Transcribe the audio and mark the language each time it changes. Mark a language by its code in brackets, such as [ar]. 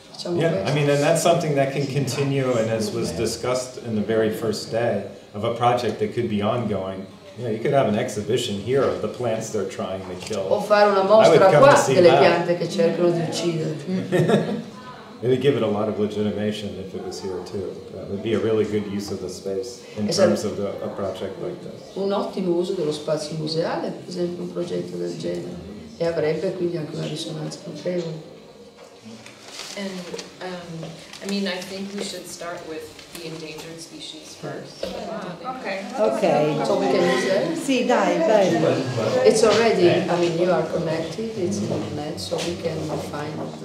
[en] Yeah, I mean, and that's something that can continue, and as was discussed in the very first day of a project that could be ongoing. You know, you could have an exhibition here of the plants they're trying to kill. [it] O fare una mostra qua delle piante che cercano di uccidere. [en] It would give it a lot of legitimation if it was here too. It would be a really good use of the space in terms of a project like this. [it] Un ottimo uso dello spazio museale, per esempio, un progetto del genere, e avrebbe quindi anche una risonanza notevole. [en] And I mean, I think we should start with the endangered species first. Okay. Okay. [it] Sì, dai, dai. [en] It's already, I mean, you are connected, it's in the net, so we can find it.